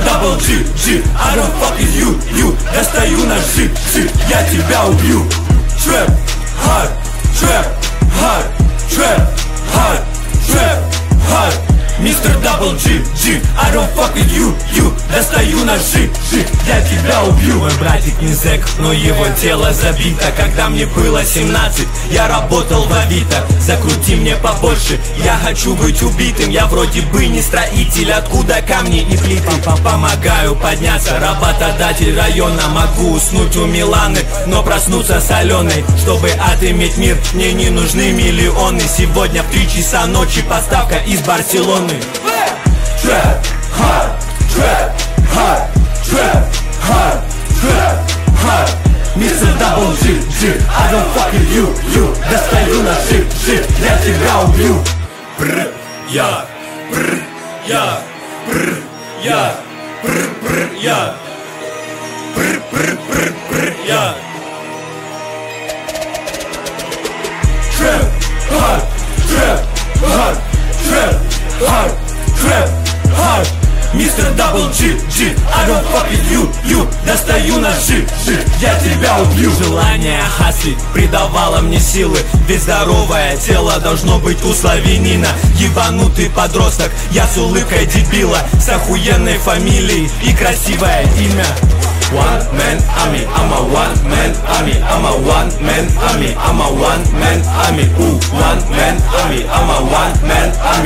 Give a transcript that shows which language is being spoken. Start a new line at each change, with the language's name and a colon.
English: Double G, G, I don't fuck with you, you.
Russian: Я стою на G, G, я тебя убью.
English: Trap, hard, trap, hard, trap, hard, trap, hard. Mr. Double G, G, I don't fuck with you, you.
Russian: Я стою на G, G, я тебя убью. Мой братик не зэк, но его тело забито. Когда мне было 17, я работал в Авито. Закрути мне побольше, я хочу быть убитым. Я вроде бы не строитель, откуда камни и плиты. Помогаю подняться, работодатель района. Могу уснуть у Миланы, но проснуться соленой. Чтобы отыметь мир, мне не нужны миллионы. Сегодня в 3 часа ночи поставка из Барселоны.
English: Trap, hard, trap, hard, trap, hard, trap, hard. Mr. Double G, G, I don't fuck with you, you.
Russian: Достаю на G, G, я тебя убью. Бр, я, бр, я, бр, я, бр, бр, я, бр, бр, бр, бр, я.
English: Trap, hard, trap, hard, trap. Hard, trap, hard. Mr. Double G, G, I don't fuck with you, you.
Russian: Достаю на G, G, я тебя убью. Желание хаслить придавало мне силы. Ведь здоровое тело должно быть у славянина. Ебанутый подросток, я с улыбкой дебила. С охуенной фамилией и красивое имя.
English: One man army, I'm a one man army, I'm a one man army, I'm a one man army. Ooh, one man army, I'm a one man army.